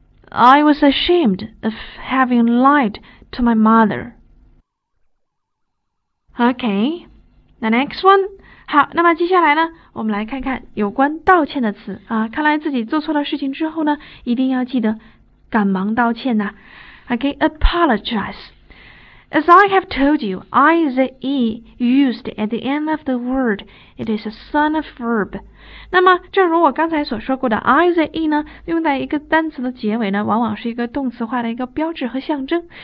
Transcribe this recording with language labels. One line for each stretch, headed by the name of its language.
English: I was ashamed of having lied to my mother. Okay, the next one.
Chinese: 好，那么接下来呢，我们来看看有关道歉的词啊。看来自己做错了事情之后呢，一定要记得赶忙道歉呐、啊。
English: Okay, apologize. As I have told you, I-Z-E used at the end of the word, it is a son of verb.
Chinese: 那么，正如我刚才所说过的 ，I-Z-E 呢，用在一个单词的结尾呢，往往是一个动词化的一个标志和象征。